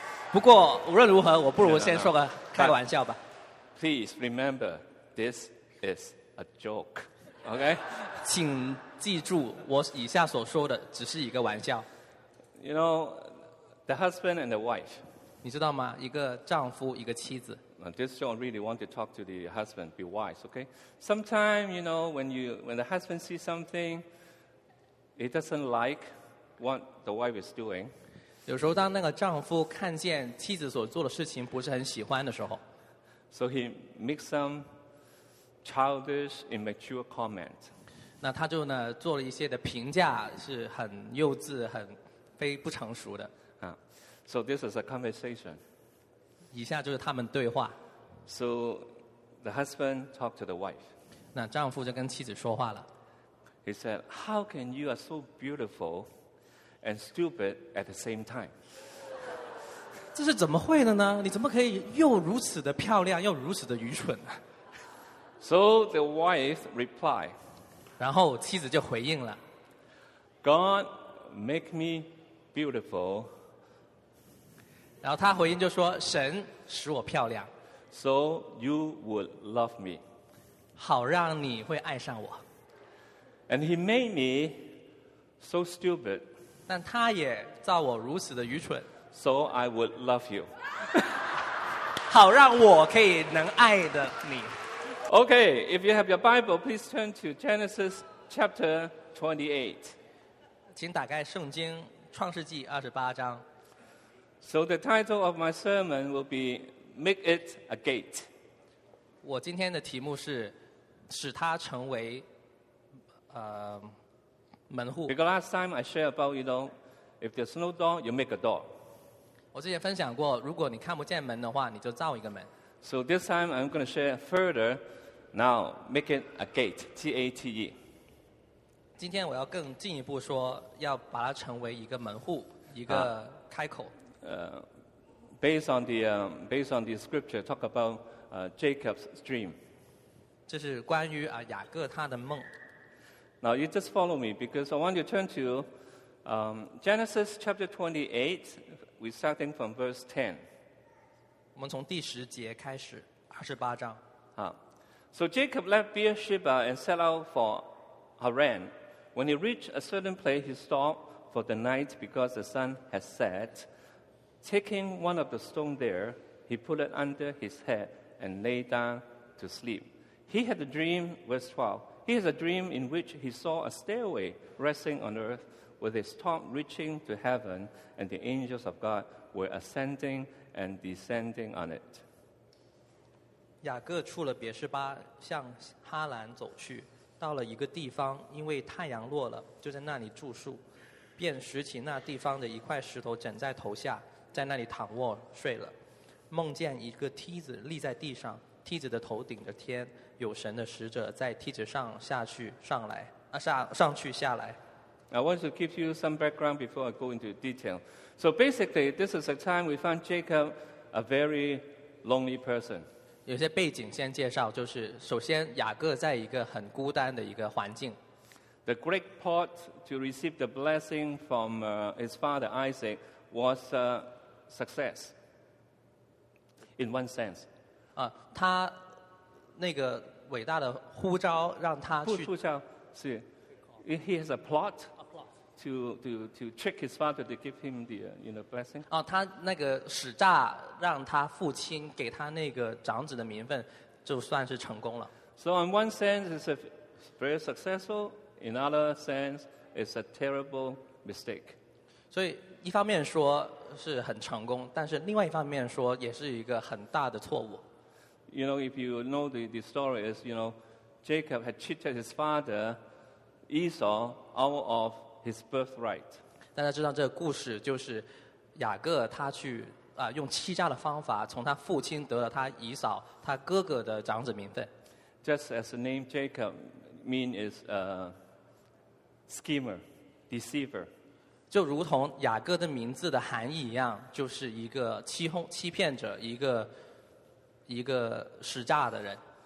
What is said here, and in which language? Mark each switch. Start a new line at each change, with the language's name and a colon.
Chinese: 不过无论如何，我不如先说个。开个玩笑吧。
English: Please remember, this is a joke. Okay?
Chinese: 请记住，我以下所说的只是一个玩笑。
English: You know, the husband and the wife.
Chinese: 你知道吗？一个丈夫，一个妻子。
English: this John really want to talk to the husband, be wise, okay? Sometimes, you know, when the husband sees something, he doesn't like what the wife is doing.
Chinese: 有时候当那个丈夫看见妻子所做的事情不是很喜欢的时候。
English: So he makes some childish, immature comment.
Chinese: 那他就呢做了一些的评价是很幼稚很非不成熟的。
English: So this is a conversation.
Chinese: 以下就是他们对话。
English: So the husband talked to the wife.
Chinese: 那丈夫就跟妻子说话了。
English: He said, how can you are so beautiful and stupid at the same time?
Chinese: 这是怎么会的呢？你怎么可以又如此的漂亮又如此的愚蠢呢？
English: So the wife replied.
Chinese: 然后妻子就回应了。
English: God make me beautiful.
Chinese: 然后他回应就说神使我漂亮
English: So you would love me
Chinese: 好让你会爱上我
English: And he made me so stupid
Chinese: 但他也造我如此的愚蠢
English: So I would love you
Chinese: 好让我可以能爱的你
English: Okay, if you have your Bible, please turn to Genesis chapter 28
Chinese: 请打开圣经创世纪二十八章
English: So the title of my sermon will be Make It a Gate.
Chinese: 我今天的题目是使它成为门户。
English: Because last time I shared about, you know, if there's no door, you make a door.
Chinese: 我之前分享过如果你看不见门的话你就造一个门。
English: So this time I'm going to share further. Now, make it a gate. G-A-T-E.
Chinese: 今天我要更进一步说要把它成为一个门户一个开口。
English: Based on the scripture, talk about Jacob's dream.
Chinese: 这是关于啊雅各他的梦。
English: Now you just follow me because I want you to turn to Genesis chapter 28. We starting from verse 10.
Chinese: 我们从第十节开始，二十八章。
English: So Jacob left Beersheba and set out for Haran. When he reached a certain place, he stopped for the night because the sun had set. Taking one of the stones there, he put it under his head and lay down to sleep. He had a dream, verse 12. He has a dream in which he saw a stairway resting on earth with its top reaching to heaven, and the angels of God were ascending and descending on it.
Chinese: 雅各出了别士巴，向哈兰走去，到了一个地方，因为太阳落了，就在那里住宿，便拾起那地方的一块石头枕在头下。在那里躺卧睡了，梦见一个梯子立在地上，梯子的头顶着天，有神的使者在梯子上下去上来啊上去下来。
English: I want to give you some background before I go into detail. So basically, this is a time we find Jacob a very lonely person.
Chinese: 有些背景先介绍，就是首先雅各在一个很孤单的一个环境。
English: The great pot to receive the blessing from his father Isaac. Was a success in one sense.
Chinese: 啊，他那个伟大的呼召让他去呼召是
English: ，he has a plot to trick his father to give him the you know blessing.
Chinese: 啊，他那个使诈让他父亲给他那个长子的名分，就算是成功了。
English: So in one sense, it's a very successful. In other sense, it's a terrible mistake.
Chinese: 所以。一方面说是很成功，但是另外一方面说也是一个很大的错误。
English: You know, if you know the story is, you know, Jacob had cheated his father Esau out of his birthright.
Chinese: 大家知道这个故事就是雅各他去啊用欺诈的方法从他父亲得了他以扫他哥哥的长子名分。
English: Just as the name Jacob mean is a schemer, deceiver.
Chinese: 就如同雅各的名字的含义一样，就是一个欺骗者，一个使诈的人。